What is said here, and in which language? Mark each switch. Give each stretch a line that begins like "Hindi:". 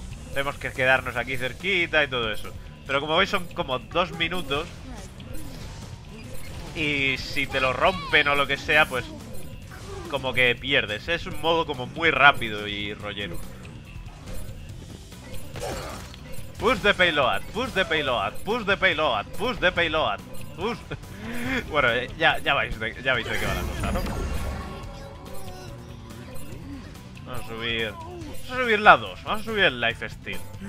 Spanish: Tenemos que quedarnos aquí cerquita y todo eso. Pero como veis son como 2 minutos. Y si te lo rompen o lo que sea, pues como que pierdes. Es un modo como muy rápido y rollero.
English: Push the payload, push the payload, push the payload, push the payload, push.
Spanish: Bueno, ya veis de qué va la cosa, ¿no? Vamos a subir la 2, vamos a subir el life steal.